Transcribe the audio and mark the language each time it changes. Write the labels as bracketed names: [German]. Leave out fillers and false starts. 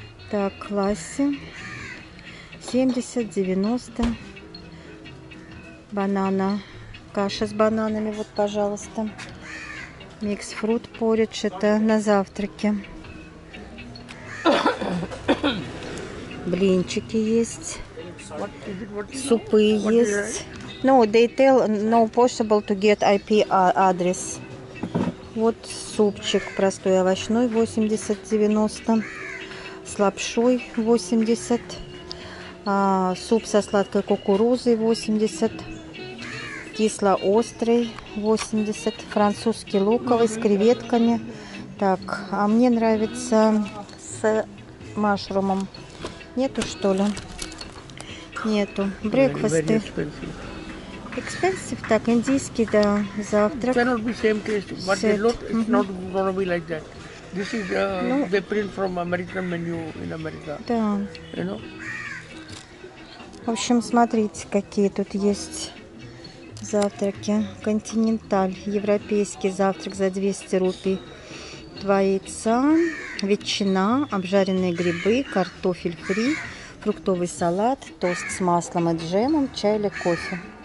[Russian] Так, классе 70, 90, банана, каша с бананами, вот, пожалуйста, микс фрут поридж, это на завтраке. Блинчики есть, супы есть. [English] No, they tell no possible to get IP address. [Russian] Вот супчик простой овощной 80-90, с лапшой 80, суп со сладкой кукурузой 80, кисло-острый 80, французский луковый с креветками. Так, а мне нравится с машрумом. Нету, что ли? Нету. Брекфасты. Expensive. Так, индийский, да, завтрак. [English] It cannot be same case, but the lot is not gonna be like that. This is the print from American menu in America. [Russian] Да. [English] You know? [Russian] В общем, смотрите, какие тут есть завтраки. Continental. Европейский завтрак за 200 рупий. Два яйца, ветчина, обжаренные грибы, картофель фри, фруктовый салат, тост с маслом и джемом, чай или кофе.